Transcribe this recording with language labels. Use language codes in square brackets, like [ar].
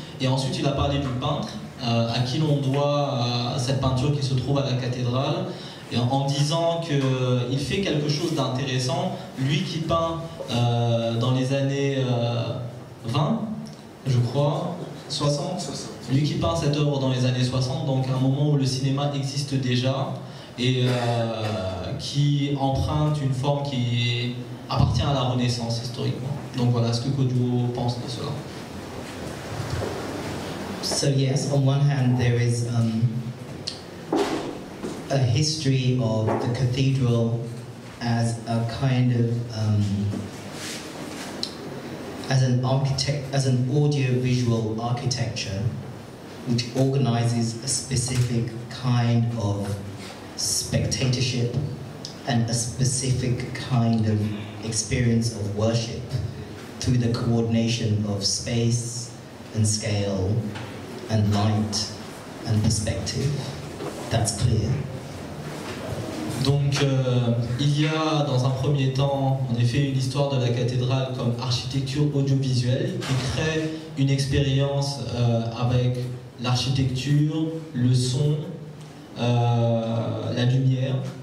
[fr] Et ensuite il a parlé du peintre, à qui l'on doit cette peinture qui se trouve à la cathédrale, et en disant qu'il fait quelque chose d'intéressant, lui qui peint dans les années 20, je crois, 60, lui qui peint cette œuvre dans les années 60, donc un moment où le cinéma existe déjà, et qui emprunte une forme qui appartient à la Renaissance historiquement. Donc voilà ce que Kodwo pense de cela. [en] So yes, on one hand there is a history of the cathedral as a kind of as an audiovisual architecture which organizes a specific kind of spectatorship and a specific kind of experience of worship through the coordination of space and scale and light and perspective. That's clear. [fr] Donc, il y a dans un premier temps, en effet, une histoire de la cathédrale comme architecture audiovisuelle qui crée une expérience avec l'architecture, le son, la lumière.